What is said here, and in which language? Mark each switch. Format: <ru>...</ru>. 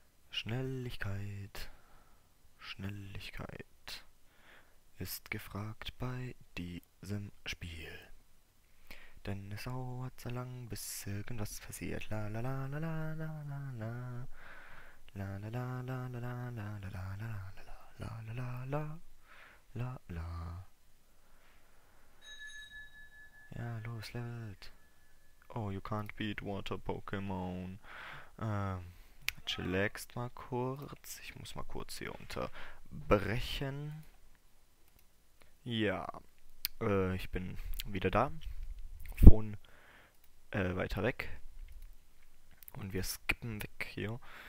<de>Schnelligkeit. Schnelligkeit ist gefragt bei diesem Spiel. Denn es dauert so lang, bis irgendwas passiert. La la la la la la la la la la la la la la la la la la la la la la la la. Ja, los, levelt.</de> <en>Oh, you can't beat Water Pokémon.</en> <de>Chillaxt mal kurz. Ich muss mal kurz hier unterbrechen. Ja, ich bin wieder da. Von weiter weg. Und wir skippen weg hier.</de>